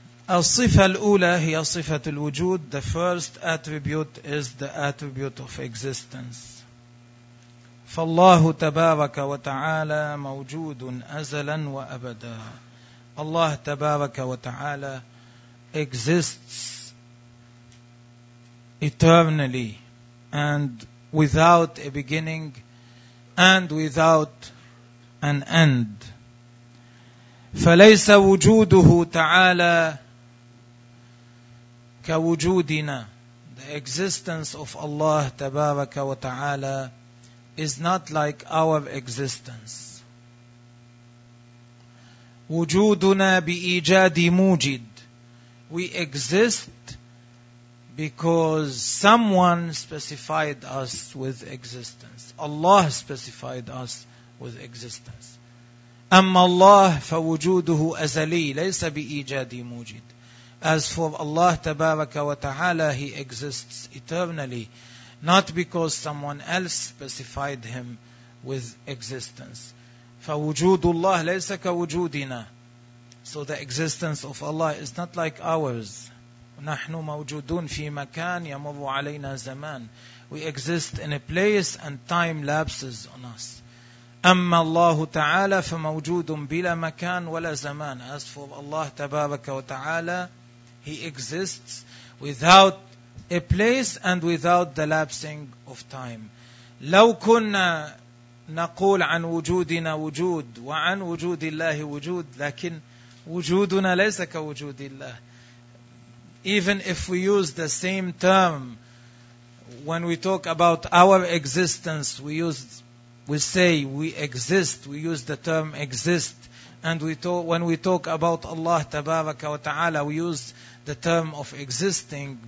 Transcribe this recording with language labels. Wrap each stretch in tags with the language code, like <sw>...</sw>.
<ar>الصفة الأولى هي صفة الوجود.</ar> <en>The first attribute is the attribute of existence.</en> <ar>فالله تبارك وتعالى موجود أزلا وأبدا. الله تبارك وتعالى</ar> <en>exists eternally and without a beginning and without an end.</en> <ar>فليس وجوده تعالى كوجودنا.</ar> <en>The existence of Allah</en> <ar>تبارك وتعالى</ar> <en>is not like our existence.</en> <ar>وجودنا بإيجاد موجد.</ar> <en>We exist because someone specified us with existence. Allah specified us with existence.</en> <ar>أما الله فوجوده أزلي ليس بإيجاد موجد.</ar> <en>As for Allah</en> <ar>تبارك وتعالى,</ar> <en>He exists eternally, not because someone else specified him with existence.</en> <ar>فوجود الله ليس كوجودنا.</ar> <en>So the existence of Allah is not like ours.</en> <ar>نحن موجودون في مكان يمر علينا زمان.</ar> <en>We exist in a place and time lapses on us.</en> <ar>أما الله تعالى فموجود بلا مكان ولا زمان.</ar> <en>As for Allah</en> <ar>تبارك وتعالى,</ar> <en>He exists without a place and without the lapsing of time.</en> <ar>لو كنا نقول عن وجودنا وجود وعن وجود الله وجود, لكن وجودنا ليس كوجود الله.</ar> <en>Even if we use the same term when we talk about our existence, we use the term exist, and when we talk about Allah</en> <ar>تبارك وتعالى,</ar> <en>we use the term of existing.</en>